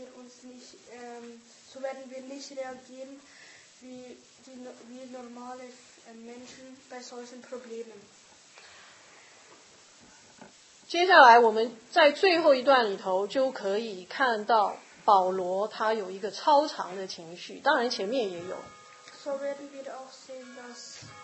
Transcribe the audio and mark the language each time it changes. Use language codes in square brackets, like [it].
[de] So werden wir nicht reagieren wie normale Menschen bei solchen Problemen. [zh] 接下来我们在最后一段里头就可以看到保罗他有一个超常的情绪，当然前面也有。 [de] So werden wir auch sehen, dass